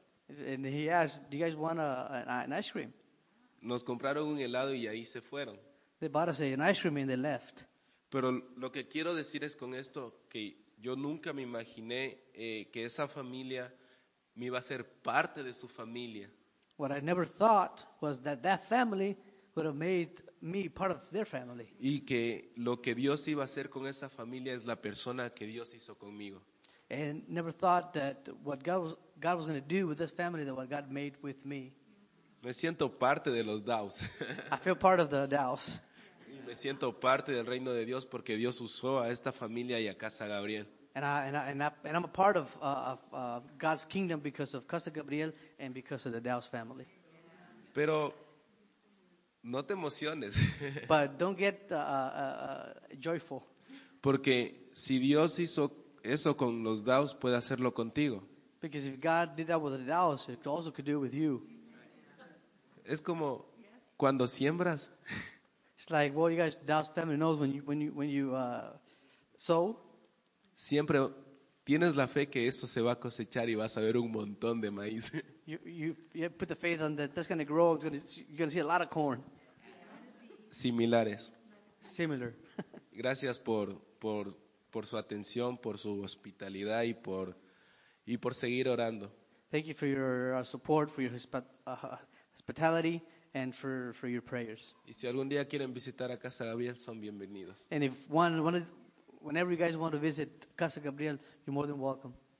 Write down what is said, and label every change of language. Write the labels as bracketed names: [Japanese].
[English] And he asked, do you guys want an ice cream? [Spanish] Nos compraron un helado y ahí se fueron. [English] They bought us an ice cream and they left. [Spanish] Pero lo que quiero decir es con esto, que yo nunca me imaginé que esa familia me iba a ser parte de su familia. [English] What I never thought was that family would have made me part of their family. [Spanish] Y que lo que Dios iba a hacer con esa familia es la persona que Dios hizo conmigo. [English] And never thought that what God was going to do with this family that what God made with me. [Spanish] Me siento parte de los Daos. [English] I feel part of the Daos. [Spanish] Y me siento parte del reino de Dios porque Dios usó a esta familia y a Casa Gabriel. [English] And I'm a part of God's kingdom because of Casa Gabriel and because of the Daos family. [Spanish] Pero no te emociones. [English] But don't get joyful. [Spanish] Porque si Dios hizo eso con los Daos, puede hacerlo contigo. [English] Because if God did that with the Daos, it also could do it with you. [Spanish] Es como cuando siembras. [English] It's like, well, you guys, Daos family knows when you sow. [Spanish] Siempre tienes la fe que eso se va a cosechar y vas a ver un montón de maíz. [English] You put the faith on that's going to grow. You're going to see a lot of corn. [Spanish] Similares. [English] Similar. [Spanish] Gracias por por su atención, por su hospitalidad y por seguir orando. [English] Thank you for your support, for your hospitality, and for your prayers. [Spanish] Y si algún día quieren visitar a Casa Gabriel, son bienvenidos. [English] And if one whenever you guys want to visit Casa Gabriel, you're more than welcome.